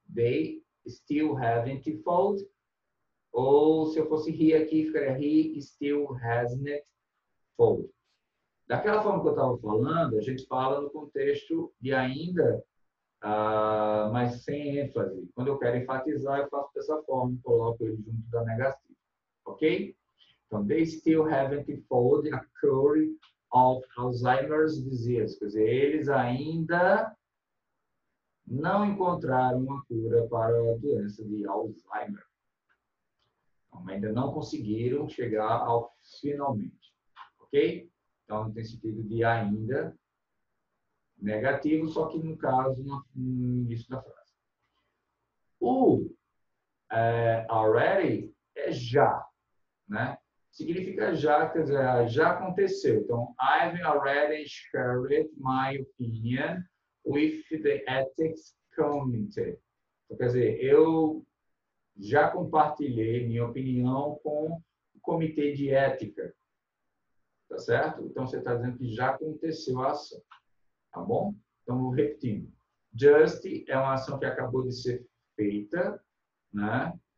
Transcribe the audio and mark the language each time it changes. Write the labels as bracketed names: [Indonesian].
[English] They still haven't fought. [Portuguese] Ou se eu fosse he aqui, ficaria [English] he still hasn't fought. [Portuguese] Daquela forma que eu estava falando, a gente fala no contexto de ainda... mas sem ênfase. Quando eu quero enfatizar, eu faço dessa forma, coloco ele junto da negativa. Ok? [English] Então, they still haven't fought a cure of Alzheimer's disease. [Portuguese] Quer dizer, eles ainda não encontraram uma cura para a doença de Alzheimer. Então, ainda não conseguiram chegar ao finalmente. Ok? Então, não tem sentido de ainda. Negativo, só que no caso, no início da frase. O already é já, né? Significa já, quer dizer, já aconteceu. [English] Então, I've already shared my opinion with the ethics committee. [Portuguese] Então, quer dizer, eu já compartilhei minha opinião com o comitê de ética. Tá certo? Então, você está dizendo que já aconteceu a ação. Tá bom? Então, repetindo. Just é uma ação que acabou de ser feita, né?